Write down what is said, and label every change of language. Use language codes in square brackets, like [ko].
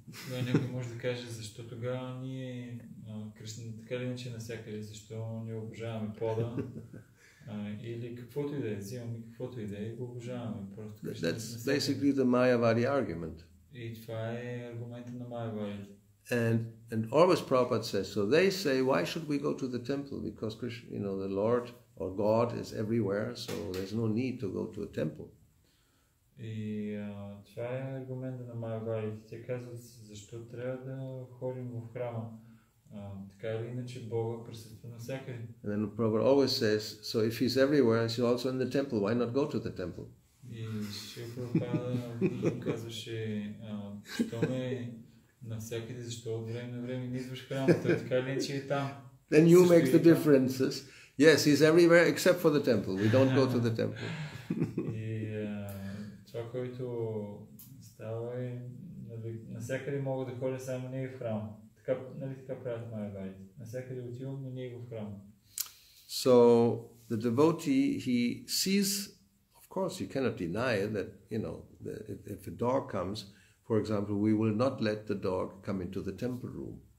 [bg] Да, някой може да каже, защо тогава ние Кришна така ли иначе навсякъде, защо ни обожаваме пода, или каквото и да е, взимаме каквото и да е, обожаваме просто [en] Кришна. That's basically the Mayavadi argument. [bg] И това е аргумента на Mayavadi. [en] And always Prabhupada says, so they say, why should we go to the temple? Because Krishna, you know, the Lord or God is everywhere, so there's no need to go to a temple. [bg] И това е аргумента на Майя-вадите. Те казват, защо трябва да ходим в храма? Така или иначе Бога присъства навсякъде. [en] And then Prabhupada always says, so if he's everywhere, he's also in the temple, why not go to the temple? [bg] И Шрила Прабхупада казваше, щом е навсякъде, защо от време на време не идваш в храма, той така или иначе е там. [en] Then you make the differences. Yes, he's everywhere except for the temple. We don't go to the temple. [bg] И това, което става е, навсякъде мога да ходя, само не и в храм. Така, нали така правят майя-вадите? Навсякъде отивам, но не и в храм. [en] So, the devotee, he sees, of course, you cannot deny that, you know, that if a dog comes, for example, we will not let the dog come into the temple room.